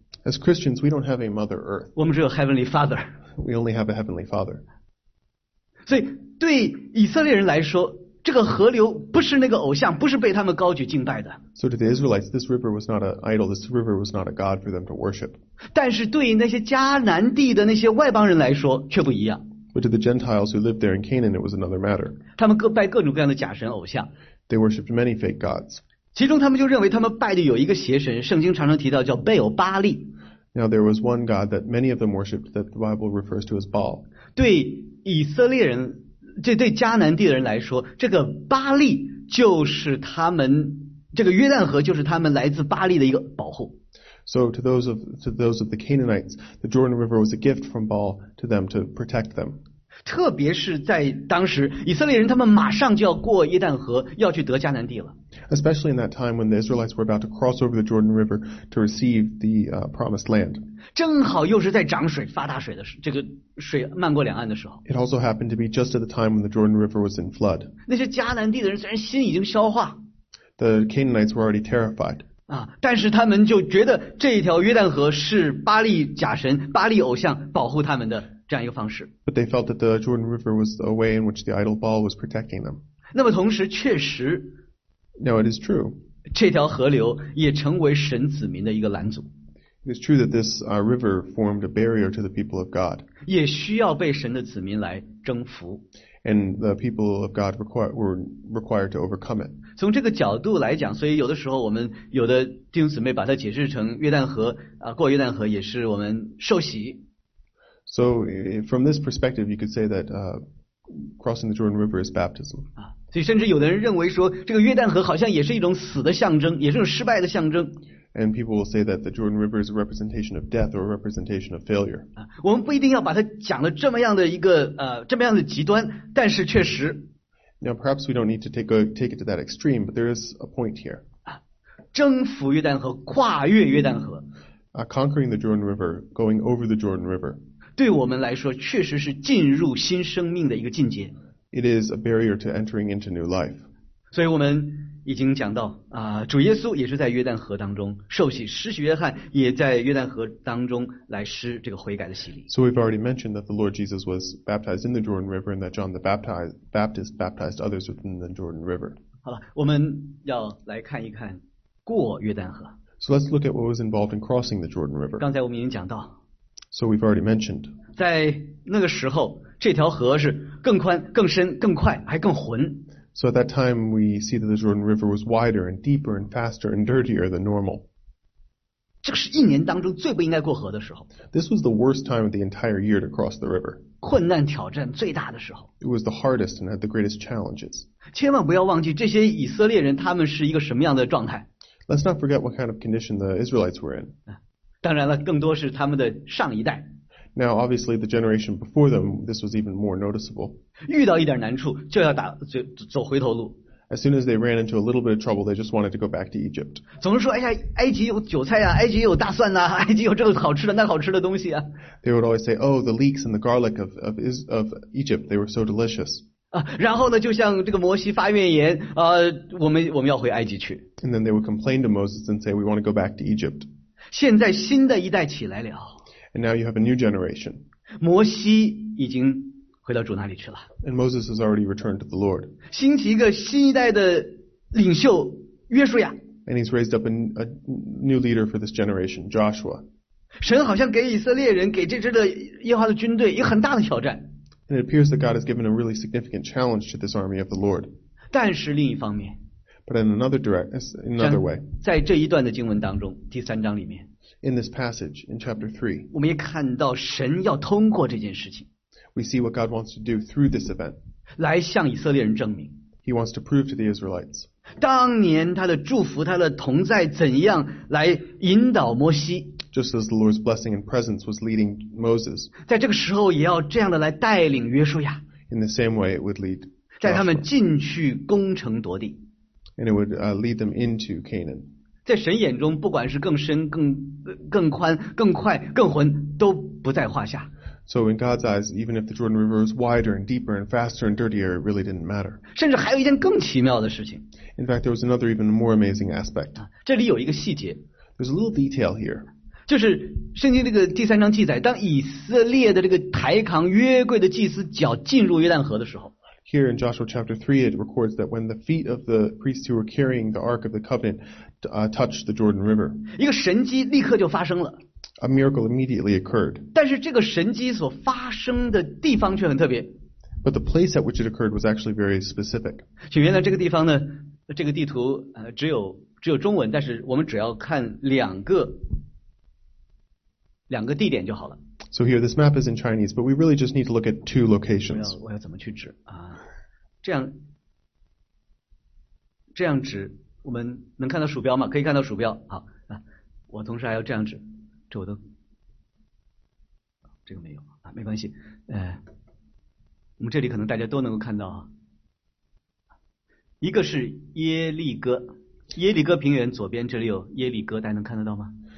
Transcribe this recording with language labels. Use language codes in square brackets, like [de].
[en] As Christians, we don't have a Mother Earth. [zh] 我们只有 [en] Heavenly Father. We only have a Heavenly Father. [zh] 所以对以色列人来说，这个河流不是那个偶像，不是被他们高举敬拜的。 [en] So to the Israelites, this river was not an idol. This river was not a god for them to worship. [zh] 但是对那些迦南地的那些外邦人来说，却不一样。 [en] But to the Gentiles who lived there in Canaan, it was another matter. [zh] 他们拜各种各样的假神偶像。 [en] They worshipped many fake gods. [zh] 其中他们就认为他们拜的有一个邪神，圣经常常提到叫贝欧巴利。 [en] Now there was one god that many of them worshipped that the Bible refers to as Baal. [zh] 对以色列人。这对迦南地的人来说，这个巴利就是他们，这个约旦河就是他们来自巴利的一个保护。 [en] So to those of the Canaanites, the Jordan River was a gift from Baal to them to protect them. [zh] 特别是在当时，以色列人他们马上就要过约旦河，要去得迦南地了。 [en] Especially in that time when the Israelites were about to cross over the Jordan River to receive the promised land. [zh] 正好又是在涨水发大水的时候，这个水漫过两岸的时候。 [en] It also happened to be just at the time when the Jordan River was in flood. [zh] 那些迦南地的人虽然心已经消化。 [en] The Canaanites were already terrified. [zh] 啊，但是他们就觉得这一条约旦河是巴利假神、巴利偶像保护他们的这样一个方式。 [en] But they felt that the Jordan River was a way in which the idol Baal was protecting them. [zh] 那么同时确实。 [en] Now it is true. [zh] 这条河流也成为神子民的一个拦阻。 [en] It's true that this river formed a barrier to the people of God. [zh] 也需要被神的子民来征服。 [en] And the people of God were required to overcome it. [zh] 从这个角度来讲，所以有的时候我们有的弟兄姊妹把它解释成约旦河啊，过约旦河也是我们受洗。 [en] So from this perspective, you could say that crossing the Jordan River is baptism. [zh] 啊，所以甚至有的人认为说，这个约旦河好像也是一种死的象征，也是一种失败的象征。 [en] And people will say that the Jordan River is a representation of death or a representation of failure. [zh] 我们不一定要把它讲得这么样的一个这么样的极端，但是确实。 [en] Now perhaps we don't need to take it to that extreme, but there is a point here. [zh] 征服约旦河，跨越约旦河。 [en] Conquering the Jordan River, going over the Jordan River. [zh] 对我们来说，确实是进入新生命的一个进阶。 [en] It is a barrier to entering into new life. [zh] 所以我们。已经讲到啊，主耶稣也是在约旦河当中受洗，施洗约翰也在约旦河当中来施这个悔改的洗礼。 [en] So we've already mentioned that the Lord Jesus was baptized in the Jordan River and that John the Baptist baptized others within the Jordan River. [zh] 好了，我们要来看一看过约旦河。 [en] So let's look at what was involved in crossing the Jordan River. [zh] 刚才我们已经讲到。 [en] So we've already mentioned. [zh] 在那个时候，这条河是更宽、更深、更快，还更浑。 [en] So at that time, we see that the Jordan River was wider and deeper and faster and dirtier than normal. [zh] 这是一年当中最不应该过河的时候。 [en] This was the worst time of the entire year to cross the river. [zh] 困难挑战最大的时候。 [en] It was the hardest and had the greatest challenges. [zh] 千万不要忘记这些以色列人他们是一个什么样的状态。 [en] Let's not forget what kind of condition the Israelites were in. [zh] 当然了，更多是他们的上一代。 [en] Now, obviously, the generation before them, this was even more noticeable. [zh] 遇到一点难处就要打走回头路。 [en] As soon as they ran into a little bit of trouble, they just wanted to go back to Egypt. [zh] 总是说，哎呀，埃及有韭菜啊，埃及有大蒜呐，埃及有这个好吃的那好吃的东西啊。 [en] They would always say, "Oh, the leeks and the garlic of Egypt, they were so delicious." [zh] 啊，然后呢，就像这个摩西发怨言，我们要回埃及去。 [en] And then they would complain to Moses and say, "We want to go back to Egypt." [zh] 现在新的一代起来了。 [en] And now you have a new generation. [zh] 摩西已经回到主那里去了。 [en] And Moses has already returned to the Lord. [zh] 兴起一个新一代的领袖约书亚。 [en] And he's raised up a new leader for this generation, Joshua. [zh] 神好像给以色列人，给这支的耶和华的军队一个很大的挑战。 [en] And it appears that God has given a really significant challenge to this army of the Lord. [zh] 但是另一方面。 [en] But in another way. [zh] 在这一段的经文当中，第三章里面。 [en] In this passage, in chapter 3, [zh] 我们也看到神要通过这件事情。 [en] We see what God wants to do through this event. [zh] 来向以色列人证明。 [en] He wants to prove to the Israelites. [zh] 当年他的祝福，他的同在怎样来引导摩西。 [en] Just as the Lord's blessing and presence was leading Moses. [zh] 在这个时候也要这样的来带领约书亚。 [en] In the same way it would lead Joshua. [zh] 在他们进去攻城夺地。 [en] And it would lead them into Canaan. [zh] 在神眼中不管是更深 更宽更快更浑都不在话下。 [en] So in God's eyes, even if the Jordan River was wider and deeper and faster and dirtier, it really didn't matter. [zh] 甚至还有一件更奇妙的事情。 [en] In fact, there was another even more amazing aspect. [zh] 这里有一个细节。 [en] There's a little detail here. [zh] 就是圣经这个第三章记载，当以色列的这个抬扛约柜的祭司脚进入约旦河的时候。 [en] Here in Joshua chapter 3, it records that when the feet of the priests who were carrying the Ark of the Covenant touched the Jordan River. [zh] 一个神迹立刻就发生了。 [en] A miracle immediately occurred. [zh] 但是这个神迹所发生的地方却很特别。 [en] But the place at which it occurred was actually very specific. [zh] 请原来这个地方呢，这个地图只有中文，但是我们只要看两个地点就好了。 [en] So here this map is in Chinese, but we really just need to look at two locations. [zh] 我要怎么去指啊？这样指，我们能看到鼠标吗？可以看到鼠标。好啊，我同时还要这样指。这个没有啊，没关系。我们这里可能大家都能够看到啊，一个是耶利哥平原左边，这里有耶利哥，大家能看得到吗